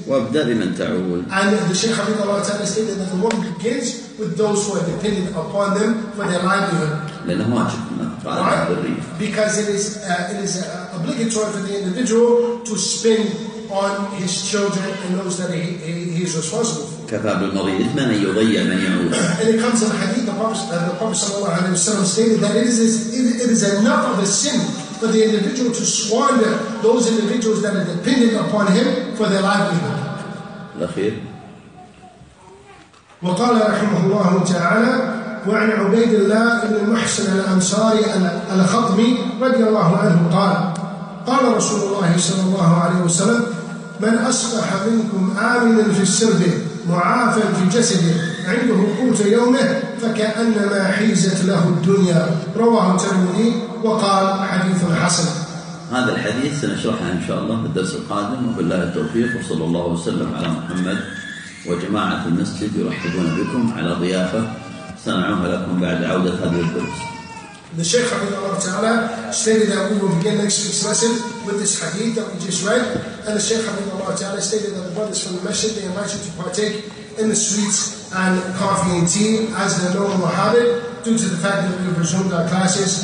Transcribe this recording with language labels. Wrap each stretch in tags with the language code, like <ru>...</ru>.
<en>And the Shaykh Hafidhahu Ta'ala stated that the one begins with those who are dependent upon them for their livelihood. Right? Because it is obligatory for the individual to spend on his children and those that he is responsible for.</en> <ar>كفى بالمرء إثماً أن يضيع من يعود.</ar> <en>And it comes in the hadith, the Prophet صلى الله عليه وسلم stated that it is enough of a sin for the individual to squander those individuals that are dependent upon him for their livelihood.</en> <ar>الأخير. وقال رحمه الله تعالى وعن عبيد الله بن المحسن الأنصاري الخطمي رضي الله عنه قال رسول الله صلى الله عليه وسلم من أصبح منكم آمنا في السرب معافا في جسده عنده قوت يومه فكأنما حيزت له الدنيا رواه الترمذي وقال حديث حسن. هذا الحديث سنشرحه إن شاء الله في الدرس القادم وبالله التوفيق وصلى الله وسلم على محمد وجماعة المسجد يرحبون بكم على ضيافة سنعوها لكم بعد عودة هذه الدروس.</ar> <en>The Shaykh Hafidhahu Ta'ala stated that we will begin next week's lesson with this hadith that we just read. And the Shaykh Hafidhahu Ta'ala stated that the brothers from the masjid, they invite you to partake in the sweets and coffee and tea as their normal habit due to the fact that we have resumed our classes.</en>